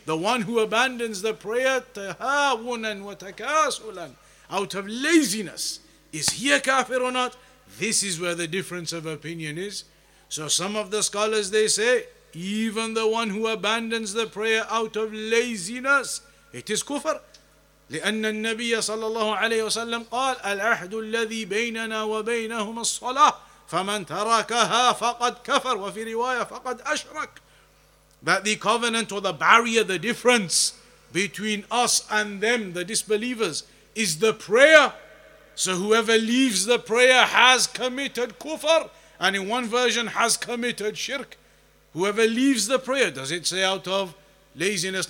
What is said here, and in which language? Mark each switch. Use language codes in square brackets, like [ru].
[en] The one who abandons the prayer, [ar] tahawunan wa takasulan, [en] out of laziness, is he a kafir or not? This is where the difference of opinion is. So some of the scholars, they say, even the one who abandons the prayer out of laziness, it is kufr. [ar] لأن النبي صلى الله عليه وسلم قال العهد الذي بيننا وبينهم الصلاة فمن تركها فقد كفر وفي رواية فقد أشرك. [en] That the covenant or the barrier, the difference between us and them, the disbelievers, is the prayer. So whoever leaves the prayer has committed kufr, and in one version has committed shirk. Whoever leaves the prayer, does it say out of laziness?